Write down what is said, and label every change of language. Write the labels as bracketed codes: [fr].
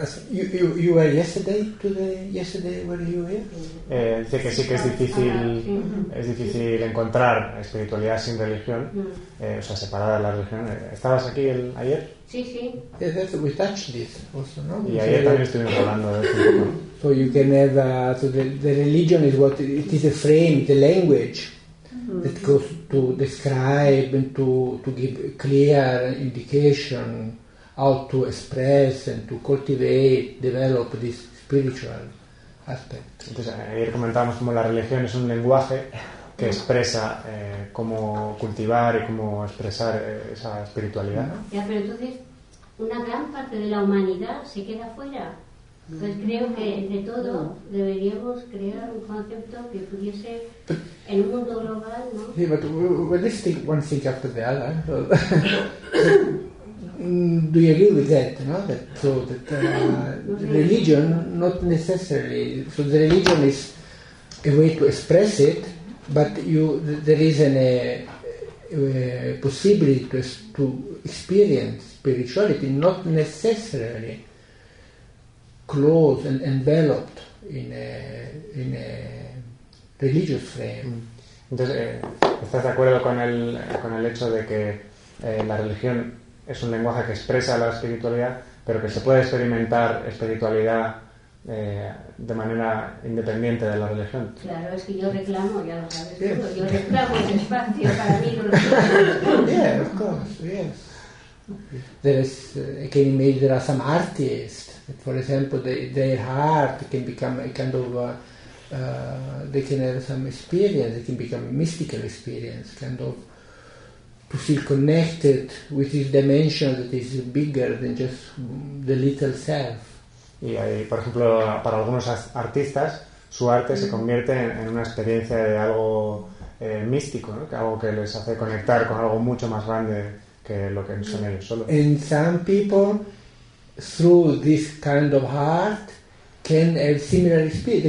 [en] You were yesterday to the yesterday where you were. [es] Dice que sí que es difícil encontrar espiritualidad sin religión, o sea, separada de la religión. ¿Estabas aquí ayer? Sí, sí. [en] Yes, we touched this also, no? [es] Y ayer también estuvimos hablando de eso. [en] So you can have the religion is what it is, a frame, the language that goes to describe and to give clear indication how to express and to cultivate, develop this spiritual aspect. [es] Entonces, ayer comentábamos cómo la religión es un lenguaje que expresa cómo cultivar y cómo expresar esa espiritualidad, ¿no? Ya, pero entonces, una gran parte de la humanidad se queda fuera. Entonces, creo que, entre todo, deberíamos crear un concepto que pudiese, en un mundo global, ¿no? Sí, pero [en] we're listing one thing after the other. Do you agree with that? No, that religion, not necessarily. So the religion is a way to express it, but there is a possibility to experience spirituality, not necessarily closed and enveloped in a religious frame. [es] Entonces, ¿estás de acuerdo con el hecho de que la religión es un lenguaje que expresa la espiritualidad, pero que se puede experimentar espiritualidad de manera independiente de la religión? Claro, es que yo reclamo, ya lo sabes, yo reclamo ese espacio para mí. [en] Yeah, of course, yes. There are some artists, for example, their heart can become a kind of they can have some experience, it can become a mystical experience, kind of to feel connected with this dimension that is bigger than just the little self. [es] Y hay, por ejemplo, para algunos artistas, su arte se convierte en una experiencia de algo místico, ¿no? Algo que les hace conectar con algo mucho más grande que lo que son ellos solos. [en] And some people, through this kind of art, can have similar experience.